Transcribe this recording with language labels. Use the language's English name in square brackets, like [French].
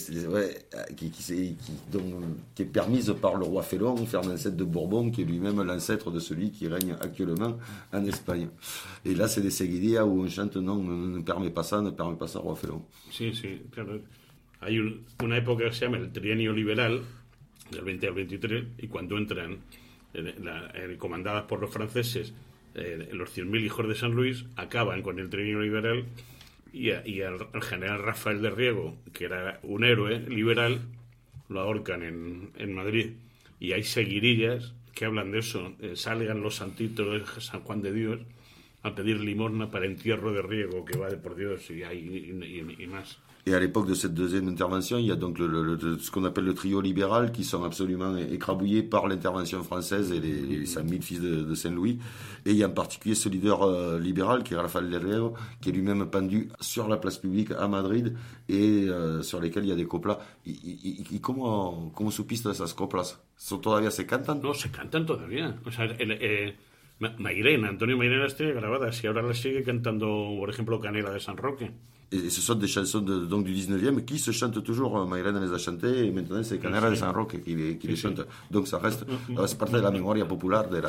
[French] Ouais, qui est permise par le roi Félon, Fernand VII de Bourbon, qui est lui-même l'ancêtre de celui qui règne actuellement en Espagne. Et là, c'est des séguidillas où on chante non, ne permet pas ça, ne permet pas ça, roi Félon. [Spanish] Sí, claro. Hay una época que se llama el trienio liberal, del 20 al 23, y cuando entran comandadas por los franceses, los 100.000 hijos de San Luis, acaban con el trienio liberal. Y al general Rafael de Riego, que era un héroe liberal, lo ahorcan en Madrid. Y hay seguidillas que hablan de eso. Salgan los santitos de San Juan de Dios a pedir limosna para el entierro de Riego, que va de por Dios, y más. [French] Et à l'époque de cette deuxième intervention, il y a donc ce qu'on appelle le trio libéral, qui sont absolument écrabouillés par l'intervention française et les 5000 fils de Saint-Louis. Et il y a en particulier ce leader libéral, qui est Rafael Guerrero, qui est lui-même pendu sur la place publique à Madrid, et sur lesquels il y a des coplas. Comment se piste ça, ce coplas? [Spanish] ¿Son todavía se cantan? No, se cantan todavía. O sea, Mairena, Antonio Mairena las tiene grabadas y ahora las sigue cantando, por ejemplo, Canela de San Roque. [French] Et ce sont des chansons donc du 19e qui se chantent toujours. Mairena les a chantées et maintenant c'est Canela de San Roque qui les chante. Donc ça reste, c'est partie de la mémoire populaire.